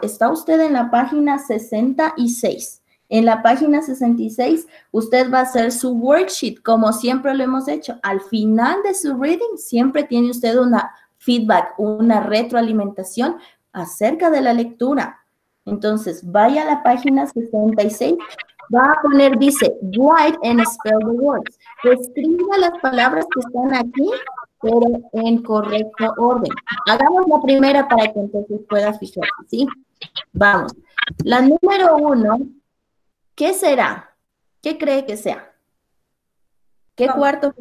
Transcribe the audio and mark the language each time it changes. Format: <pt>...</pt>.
<es>Está usted en la página 66. En la página 66, usted va a hacer su worksheet, como siempre lo hemos hecho. Al final de su reading, siempre tiene usted una feedback, una retroalimentación acerca de la lectura. Entonces, vaya a la página 66. Va a poner, dice,</es> <en>write and spell the words.</en> <es>Escriba las palabras que están aquí, pero en correcto orden. Hagamos la primera para que entonces pueda fijarse, ¿sí? Vamos. La número uno, ¿qué será? ¿Qué cree que sea? ¿Qué no. cuarto?</es>